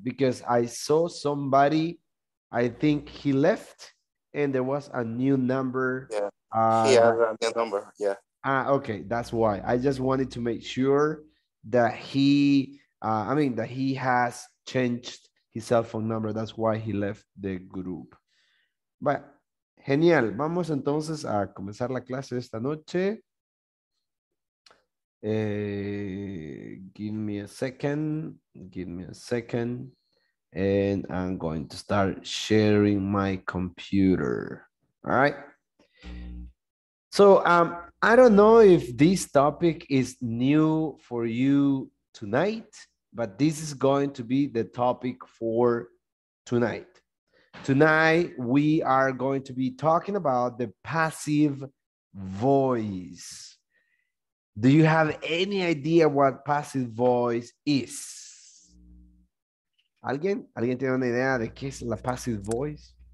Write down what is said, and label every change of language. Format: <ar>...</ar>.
<en>Because I saw somebody, I think he left, and there was a new number. Yeah, he has a new number. Yeah. Okay, that's why. I just wanted to make sure that that he has changed his cell phone number. That's why he left the group. But genial.</en> <es>Vamos entonces a comenzar la clase esta noche.</es> <en>Give me a second, give me a second, and I'm going to start sharing my computer. All right. So I don't know if this topic is new for you tonight, but this is going to be the topic for tonight. Tonight, we are going to be talking about the passive voice. Do you have any idea what passive voice is?</en> <es>¿Alguien? ¿Alguien tiene una idea de qué es la passive voice?</es>